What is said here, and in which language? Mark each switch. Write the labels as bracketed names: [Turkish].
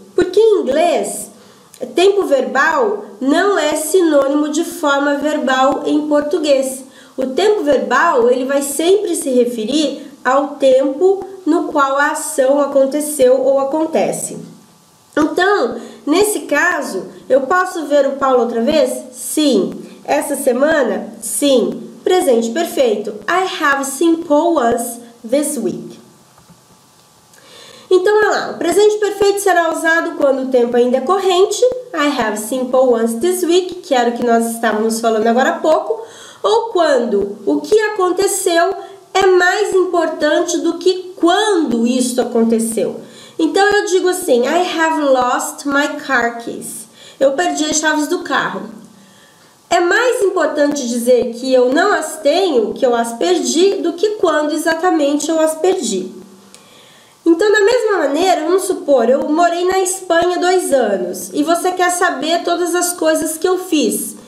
[Portuguese] Porque em inglês, tempo verbal não é sinônimo de forma verbal em português. O tempo verbal, ele vai sempre se referir ao tempo no qual a ação aconteceu ou acontece. Então, nesse caso, eu posso ver o Paulo outra vez? Sim. Essa semana? Sim. Presente perfeito. [English] I have seen Paul once this week. [Portuguese] Então, olha lá, o presente perfeito será usado quando o tempo ainda é corrente, [English] I have seen Paul once this week, [Portuguese] que era o que nós estávamos falando agora há pouco, ou quando o que aconteceu é mais importante do que quando isso aconteceu. Então, eu digo assim, [English] I have lost my car keys. [Portuguese] Eu perdi as chaves do carro. É mais importante dizer que eu não as tenho, que eu as perdi, do que quando exatamente eu as perdi. Então, da mesma maneira, vamos supor, eu morei na Espanha 2 anos e você quer saber todas as coisas que eu fiz.